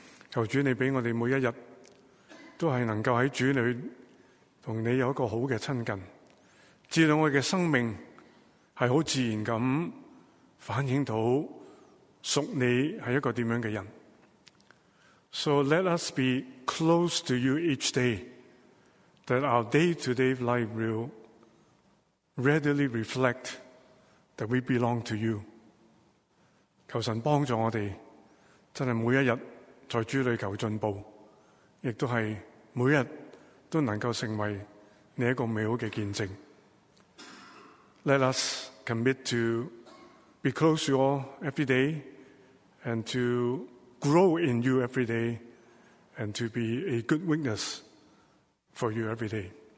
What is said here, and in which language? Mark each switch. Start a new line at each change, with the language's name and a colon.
Cantonese: 求主你俾我哋每一日都系能够喺主里同你有一个好嘅亲近，知道我哋嘅生命系好自然咁反映到属你系一个点样嘅人。
English: So let us be close to you each day, that our day-to-day life will readily reflect that we belong to you.
Cantonese: 求神帮助我哋，真系每一日。在主里求进步，亦都系每日都能够成为你一个美好嘅见证。
English: Let us commit to be close to you every day, and to grow in you every day, and to be a good witness for you every day.